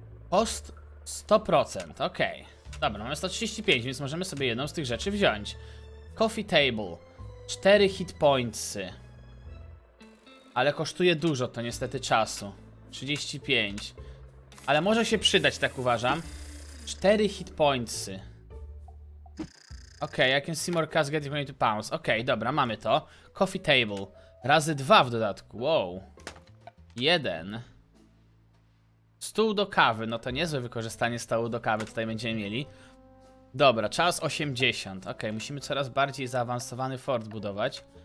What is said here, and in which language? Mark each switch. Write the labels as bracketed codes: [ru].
[pl] Post 100%, okej. Dobra, mamy 135, więc możemy sobie jedną z tych rzeczy wziąć. Coffee table, 4 hit pointsy, ale kosztuje dużo to niestety czasu, 35, ale może się przydać, tak uważam, 4 hit pointsy. [en] Okej, okay, I can see more cards getting ready to pounce. [pl] Okej, okay, dobra, mamy to, coffee table, razy 2 w dodatku, wow, 1, stół do kawy, no to niezłe wykorzystanie stołu do kawy tutaj będziemy mieli. Dobra, czas 80. Ok, musimy coraz bardziej zaawansowany fort budować.